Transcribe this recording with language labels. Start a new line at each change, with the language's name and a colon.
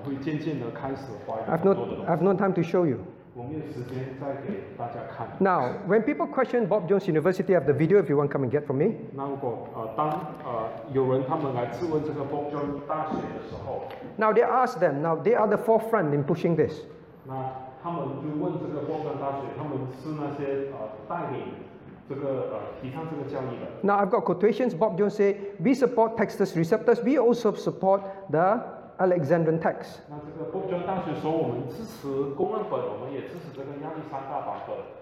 Chinese: 那如果我们做基督徒，我们不能够相信神一点一画保存他的话语的话，那我们会渐渐的开始怀疑很多的东西。
English: I've no time to show you.
Chinese: 我没有时间再给大家看.
English: Now, when people question Bob Jones University, I have the video if you want to come and get from me.
Chinese: 那如果有人他们来质问这个 Bob Jones 大学的时候,
English: now they ask them, now they are the forefront in pushing this.
Chinese: 那他们就问这个波士顿大学，他们是那些带领这个提倡这个教义的。
English: Now I've got quotations. Bob Jones say, "We support Textus Receptus. We also support the Alexandrian text."
Chinese: 那这个波士顿大学说，我们支持公论本，我们也支持这个亚历山大版本。